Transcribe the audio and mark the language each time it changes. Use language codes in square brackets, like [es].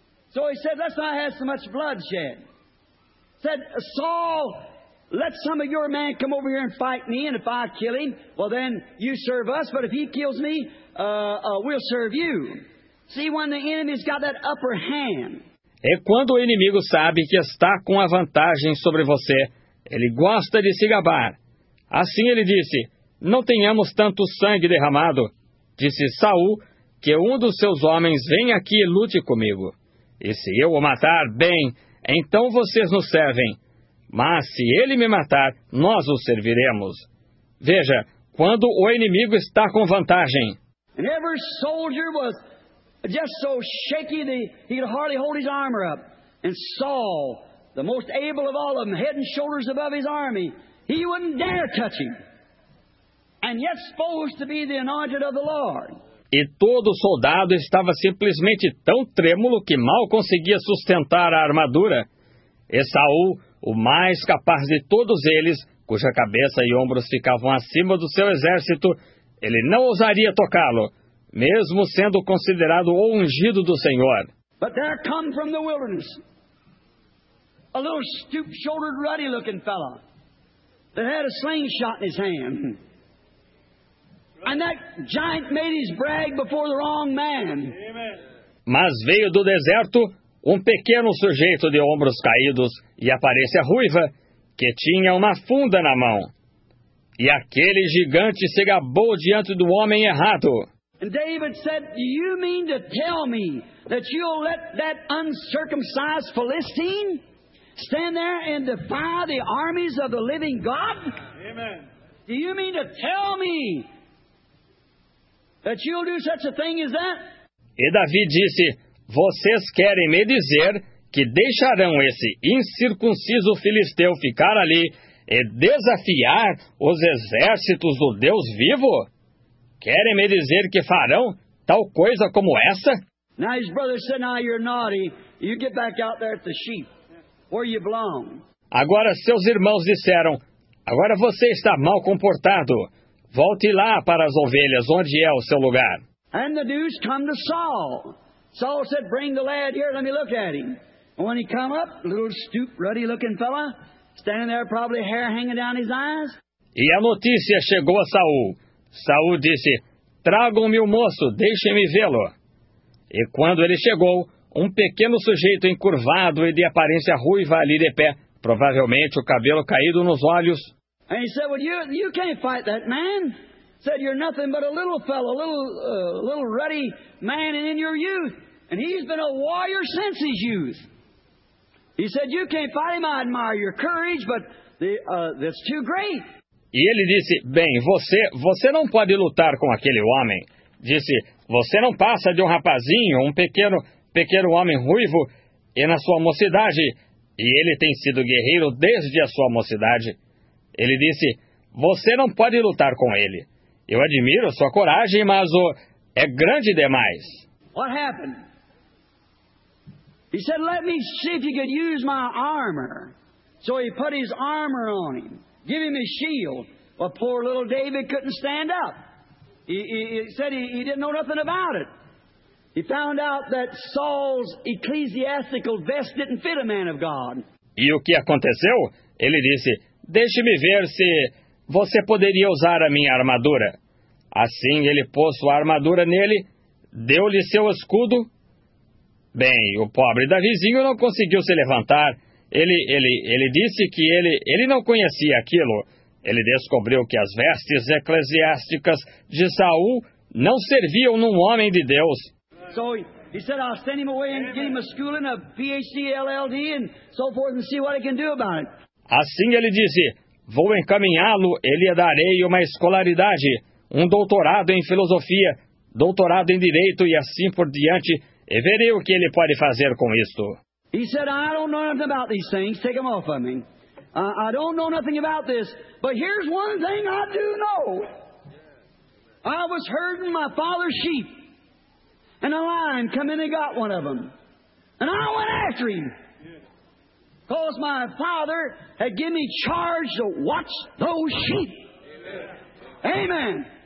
[en] So he said, let's not have so much bloodshed. Said, Saul, let some of your men come over here and fight me, and if I kill him, well then, you serve us, but if he kills me, we'll serve you. See, when the enemy's got that upper hand. [pt] É quando o inimigo sabe que está com a vantagem sobre você, ele gosta de se gabar. Assim ele disse, não tenhamos tanto sangue derramado. Disse Saul, que um dos seus homens vem aqui e lute comigo. E se eu o matar, bem, então vocês nos servem. Mas se ele me matar, nós o serviremos. Veja, quando o inimigo está com vantagem. [en] And every soldier was just so shaky that he could hardly hold his armor up. And Saul, the most able of all of them, head and shoulders above his army, he wouldn't dare touch him. And yet supposed to be the anointed of the Lord. [pt] E todo soldado estava simplesmente tão trêmulo que mal conseguia sustentar a armadura. E Saul, o mais capaz de todos eles, cuja cabeça e ombros ficavam acima do seu exército, ele não ousaria tocá-lo, mesmo sendo considerado o ungido do Senhor. [en] But there come from the wilderness a little stoop-shouldered, ruddy-looking fellow that had a slingshot in his hand. And that giant made his brag before the wrong man. [pt] Mas veio do deserto um pequeno sujeito de ombros caídos e aparência ruiva, que tinha uma funda na mão. E aquele gigante se gabou diante do homem errado. [en] And David said, "Do you mean to tell me that you'll let that uncircumcised Philistine stand there and defy the armies of the living God?" Amen. Do you mean to tell me that you'll do such a thing as that? [pt] E Davi disse, vocês querem me dizer que deixarão esse incircunciso filisteu ficar ali e desafiar os exércitos do Deus vivo? Querem me dizer que farão tal coisa como essa? [en] Now his brother said, now you're naughty. You get back out there at the sheep, where you belong. [pt] Agora seus irmãos disseram, agora você está mal comportado. Volte lá para as ovelhas, onde é o seu lugar. [en] And the news come to Saul. Saul said, bring the lad here, let me look at him. And when he come up, little stoop, ruddy looking fella, standing there probably hair hanging down his eyes. [pt] E a notícia chegou a Saul. Saul disse, tragam-me o moço, deixem-me vê-lo. E quando ele chegou, um pequeno sujeito encurvado e de aparência ruiva ali de pé, provavelmente o cabelo caído nos olhos. [en] And he said, well, you can't fight that man. He said, you're nothing but a little fellow, a little ruddy man in your youth. And he's been a warrior since his youth. He said, you can't fight him. I admire your courage, but that's too great. [pt] E ele disse, bem, você não pode lutar com aquele homem. Disse, você não passa de um rapazinho, um pequeno homem ruivo, e na sua mocidade. E ele tem sido guerreiro desde a sua mocidade. Ele disse, você não pode lutar com ele. Eu admiro sua coragem, mas o é grande demais. [en] What happened? He said, let me see if you could use my armor. So he put his armor on him, give him his shield. Well, poor little David couldn't stand up. He said he didn't know nothing about it. He found out that Saul's ecclesiastical vest didn't fit a man of God. [pt] E o que aconteceu? Ele disse, deixe-me ver se você poderia usar a minha armadura. Assim ele pôs sua armadura nele, deu-lhe seu escudo. Bem, o pobre Davizinho não conseguiu se levantar. Ele disse que ele não conhecia aquilo. Ele descobriu que as vestes eclesiásticas de Saul não serviam num homem de Deus. [en] So he said, I'll send him away and get him a schooling, a PhD, LLD, and so forth, and see what he can do about it. [pt] Assim ele disse, vou encaminhá-lo, ele darei uma escolaridade, um doutorado em filosofia, doutorado em direito e assim por diante, e verei o que ele pode fazer com isto. [en] He said, I don't know nothing about these things, take them off of me. I don't know nothing about this, but here's one thing I do know. I was herding my father's sheep. And a lion come in and got one of them. And I went after him. Because my father had given me charge to watch those sheep. Amen. Amen.